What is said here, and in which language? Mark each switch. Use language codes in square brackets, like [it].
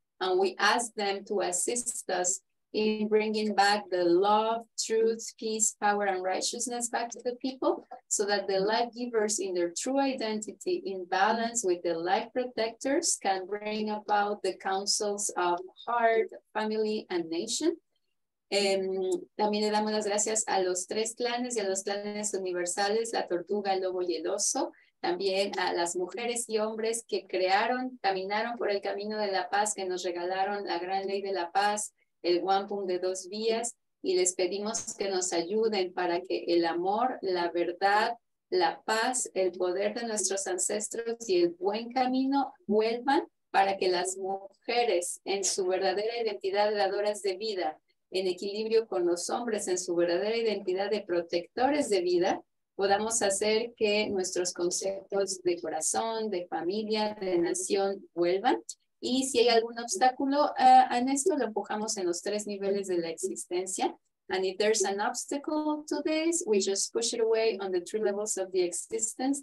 [en] And we ask them to assist us in bringing back the love, truth, peace, power, and righteousness back to the people, so that the life givers in their true identity, in balance with the life protectors, can bring about the councils of heart, family, and nation. [es] También le damos las gracias a los tres clanes y a los clanes universales, la tortuga, el lobo y el oso. También a las mujeres y hombres que crearon, caminaron por el camino de la paz, que nos regalaron la gran ley de la paz, el wampum de dos vías, y les pedimos que nos ayuden para que el amor, la verdad, la paz, el poder de nuestros ancestros y el buen camino vuelvan, para que las mujeres en su verdadera identidad de dadoras de vida, en equilibrio con los hombres en su verdadera identidad de protectores de vida, podamos hacer que nuestros conceptos de corazón, de familia, de nación vuelvan. Y si hay algún obstáculo en esto, lo empujamos en los tres niveles de la existencia. [en] And if there's an obstacle to this, we just push it away on the three levels of the existence.